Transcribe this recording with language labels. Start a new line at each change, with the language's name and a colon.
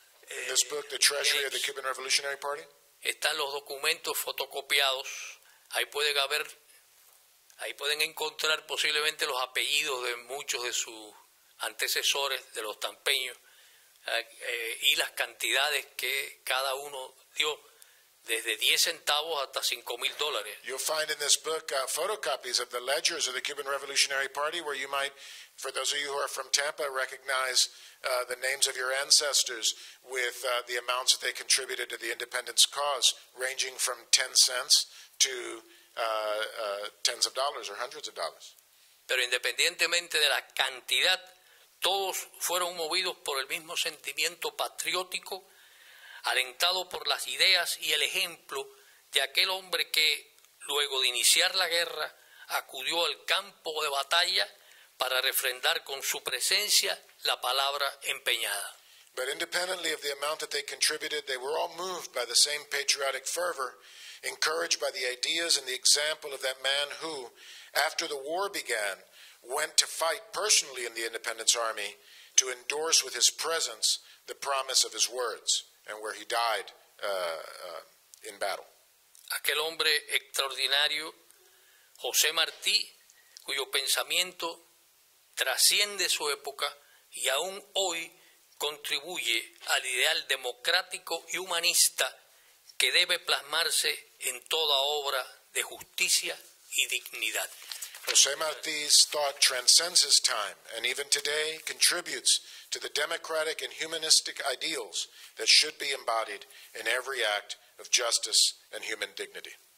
English: in this book, The Treasury of the Cuban Revolutionary Party,
Spanish: están los documentos fotocopiados. Ahí pueden encontrar posiblemente los apellidos de muchos de sus antecesores, de los tampeños, y las cantidades que cada uno dio, desde 10 centavos hasta $5,000.
English: You'll find in this book photocopies of the ledgers of the Cuban Revolutionary Party, where you might, for those of you who are from Tampa, recognize the names of your ancestors with the amounts that they contributed to the independence cause, ranging from 10 cents to tens of dollars or hundreds of dollars.
Spanish: Pero independientemente de la cantidad, Todos fueron movidos por el mismo sentimiento patriótico, alentado por las ideas y el ejemplo de aquel hombre que, luego de iniciar la guerra, acudió al campo de batalla para refrendar con su presencia la palabra empeñada.
English: But independently of the amount that they contributed, they were all moved by the same patriotic fervor, encouraged by the ideas and the example of that man who, after the war began, went to fight personally in the Independence Army to endorse with his presence the promise of his words, and where he died in battle.
Spanish: Aquel hombre extraordinario, José Martí, cuyo pensamiento trasciende su época y aún hoy contribuye al ideal democrático y humanista que debe plasmarse en toda obra de justicia y dignidad.
English: José Martí's thought transcends his time and even today contributes to the democratic and humanistic ideals that should be embodied in every act of justice and human dignity.